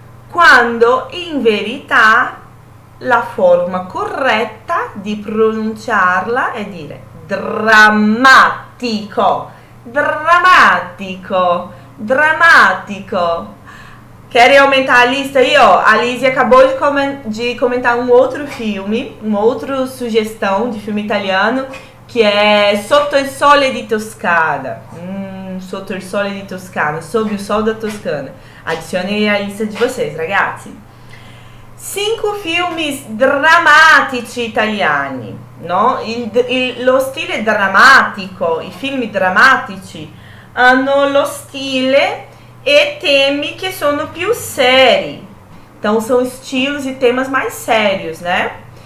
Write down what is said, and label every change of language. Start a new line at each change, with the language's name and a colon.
Italian: Quando in verità la forma corretta di pronunciarla è dire drammatico. Drammatico, drammatico.
Portuguese: Querem aumentar a lista aí, ó? A Lizzie acabou de comentar um outro filme, uma outra sugestão de filme italiano, que é Sotto il Sole di Toscana. Sotto il Sole di Toscana, Sob o Sol da Toscana. Adicionei a lista de vocês, ragazzi. Cinco filmes
Italian: drammatici italiani.
Portuguese: No?
Italian: Lo stile drammatico, i film drammatici hanno lo stile e temi che sono più seri.
Portuguese: Então são estilos e temas mais sérios, né?